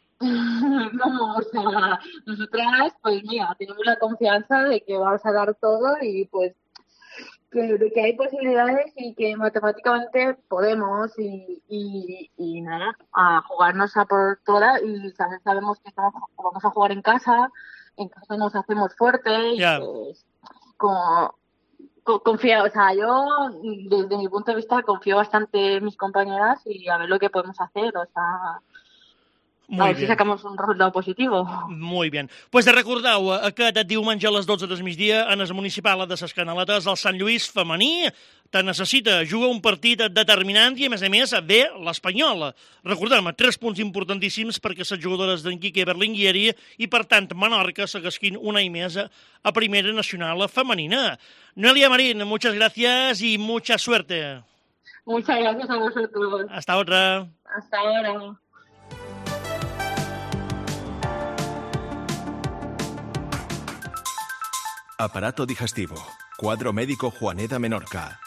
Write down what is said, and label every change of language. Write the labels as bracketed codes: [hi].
[es] No, o sea, nosotras, pues mira, tenemos la confianza de que vamos a dar todo, y pues que hay posibilidades y que matemáticamente podemos, y nada, a jugarnos a por toda, y sabemos que vamos a jugar en casa. Entonces nos hacemos fuerte y pues confío, o sea, yo desde mi punto de vista confío bastante en mis compañeras y a ver lo que podemos hacer, o sea, Muy bien. Si sacamos un resultado positivo. Muy bien. [ca] Pues de recordar-ho, aquest diumenge a les 12 del migdia, en el municipal de Ses Canaletes, el Sant Lluís femení, te necessita, juga un partit determinant i, a més, ve l'Espanyol. Recordem, tres punts importantíssims perquè les jugadores d'en Quique Berlinguieri i, per tant, Menorca segueixin un any més a Primera Nacional Femenina. [es] Noelia Marín, muchas gracias y mucha suerte. Muchas gracias a vosotros. Hasta otra. Hasta ahora. Aparato digestivo. Cuadro médico Juaneda Menorca.